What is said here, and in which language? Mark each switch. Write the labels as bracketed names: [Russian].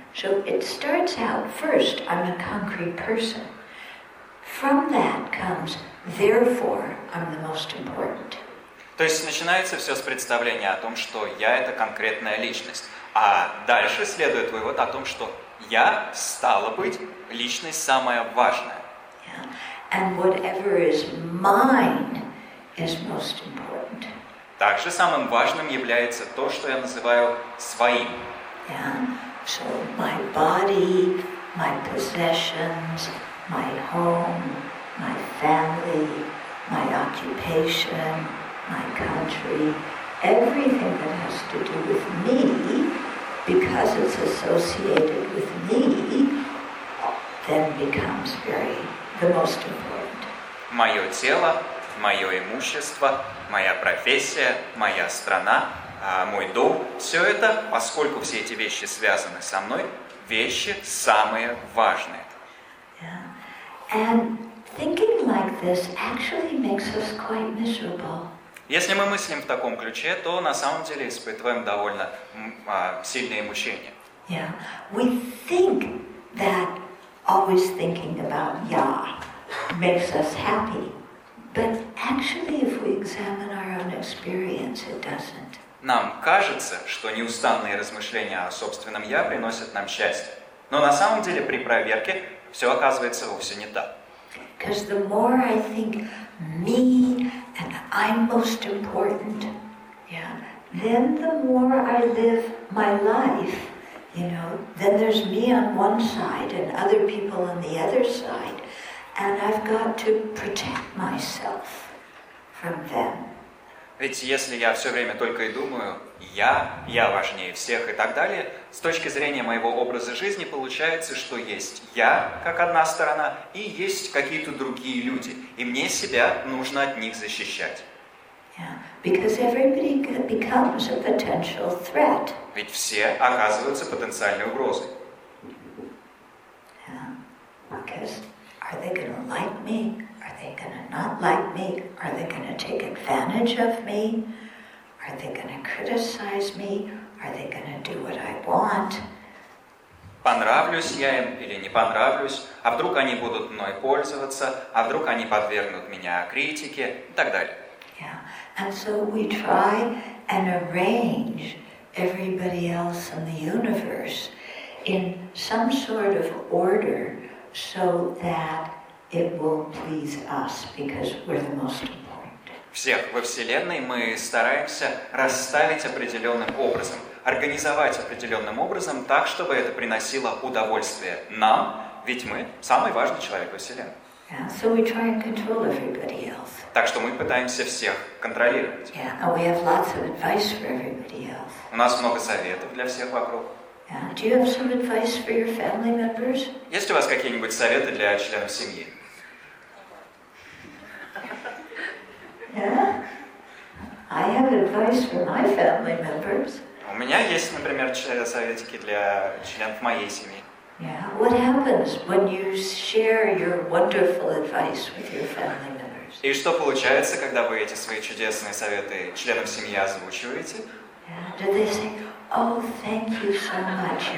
[English] So it starts out first, I'm a concrete person. From that comes, therefore, I'm the most important. [Russian] То есть начинается все с представления о том, что я это конкретная личность. А дальше следует вывод о том, что я, стало быть, личность самая важная. [English] Yeah. And whatever is mine is most important. [Russian] Также самым важным является то, что я называю своим. [English] Yeah. So my body, my possessions, my home, my family, my occupation, my country, everything that has to do with me, because it's associated with me, then becomes very the most important. [Russian] Моё тело, моё имущество, моя профессия, моя страна, мой дом, всё это, поскольку все эти вещи связаны со мной, вещи самые важные. [English] Yeah. And thinking like this actually makes us quite miserable. [Russian] Если мы мыслим в таком ключе, то на самом деле испытываем довольно сильные мучения. [English] Yeah. We think that always thinking about ya makes us happy. But actually, if we examine our own experience, it doesn't. [Russian] Нам кажется, что неустанные размышления о собственном я приносят нам счастье. Но на самом деле при проверке все оказывается вовсе не так. [English] Because the more I think me and I'm most important, yeah, then the more I live my life, you know, then there's me on one side and other people on the other side, and I've got to protect myself from them. [Russian] Ведь если я все время только и думаю, я важнее всех и так далее, с точки зрения моего образа жизни получается, что есть я, как одна сторона, и есть какие-то другие люди, и мне себя нужно от них защищать. [English] Yeah, because everybody becomes a potential threat. [Russian] Ведь все оказываются потенциальной угрозой. [English] Because are they gonna like me? Are they gonna not like me? Are they gonna take advantage of me? Are they gonna criticize me? Are they gonna do what I want? [Russian] Понравлюсь я им или не понравлюсь? А вдруг они будут мной пользоваться? А вдруг они подвергнут меня критике? И так далее. [English] Yeah. And so we try and arrange everybody else in the universe in some sort of order so that it will please us because we're the most important. [Russian] Всех во Вселенной мы стараемся расставить определенным образом, организовать определенным образом так, чтобы это приносило удовольствие нам, ведь мы самый важный человек во Вселенной. [English] Yeah, so we try and control everybody else. [Russian] Так что мы пытаемся всех контролировать. [English] Yeah, and we have lots of advice for everybody else. [Russian] У нас много советов для всех вокруг. [English] Yeah. Do you have some advice for your family members? [Russian] Есть у вас какие-нибудь советы для членов семьи? [English] Yeah. I have advice for my family members. [Russian] У меня есть, например, советики для членов моей семьи. [English] Yeah. What happens when you share your wonderful advice with your family members? [Russian] И что получается, когда вы эти свои чудесные советы членам семьи озвучиваете? [English] Yeah. Do they say, oh, thank you so much.